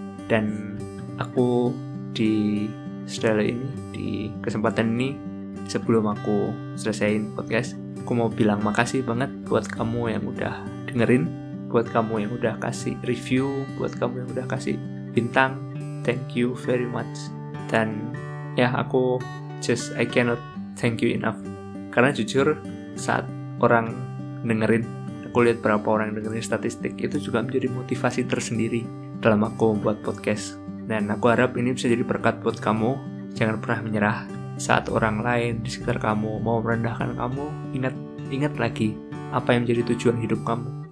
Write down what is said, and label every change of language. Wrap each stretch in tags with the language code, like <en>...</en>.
<id>Dan aku di style ini, di kesempatan ini, sebelum aku selesaiin podcast, aku mau bilang makasih banget buat kamu yang udah dengerin, buat kamu yang udah kasih review, buat kamu yang udah kasih bintang.</id> <en>Thank you very much.</en> <id>Dan ya, aku</id> <en>just I cannot thank you enough.</en> <id>Karena jujur, saat orang dengerin, aku lihat berapa orang dengerin statistik, itu juga menjadi motivasi tersendiri dalam aku membuat podcast. Dan aku harap ini bisa jadi berkat buat kamu. Jangan pernah menyerah. Saat orang lain di sekitar kamu mau merendahkan kamu, ingat lagi apa yang menjadi tujuan hidup kamu.</id>